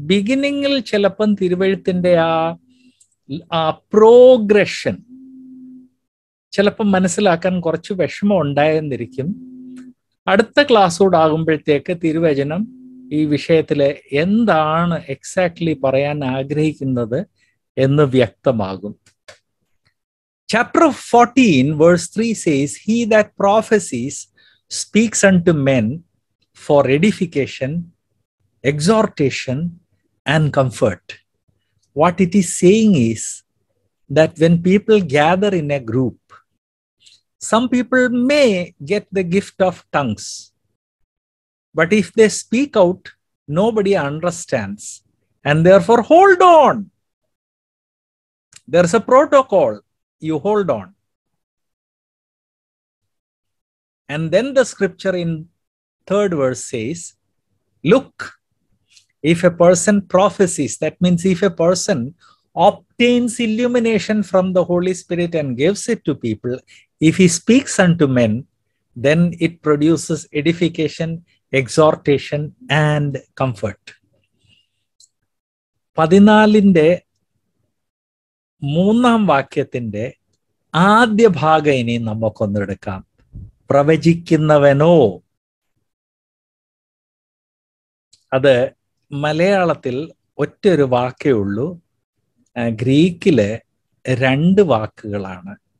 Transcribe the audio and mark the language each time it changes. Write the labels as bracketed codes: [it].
[ml] ബിഗിനിങ്ങിൽ ചിലപ്പം തിരുവെഴുത്തിൻ്റെ ആ പ്രോഗ്രഷൻ ചിലപ്പം മനസ്സിലാക്കാൻ കുറച്ച് വിഷമം ഉണ്ടായെന്നിരിക്കും. അടുത്ത ക്ലാസ്സോട് ആകുമ്പോഴത്തേക്ക് തിരുവചനം ഈ വിഷയത്തിൽ എന്താണ് എക്സാക്ട്ലി പറയാൻ ആഗ്രഹിക്കുന്നത് എന്ന് വ്യക്തമാകും. [en] Chapter 14, verse 3 says, He that prophesies speaks unto men for edification, exhortation, and comfort. What it is saying is that when people gather in a group, some people may get the gift of tongues. But if they speak out, nobody understands. And therefore, hold on. There's a protocol. You hold on. And then the scripture in third verse says, look, if a person prophesies, that means if a person obtains illumination from the Holy Spirit and gives it to people, if he speaks unto men, then it produces edification, exhortation, and comfort. [ml] 14-ന്റെ മൂന്നാം വാക്യത്തിന്റെ ആദ്യ ഭാഗം ഇനി നമുക്കൊന്നെടുക്കാം. പ്രവചിക്കുന്നവനോ, അത് മലയാളത്തിൽ ഒറ്റ ഒരു വാക്കേ ഉള്ളൂ, ഗ്രീക്കില് രണ്ട് വാക്കുകളാണ്.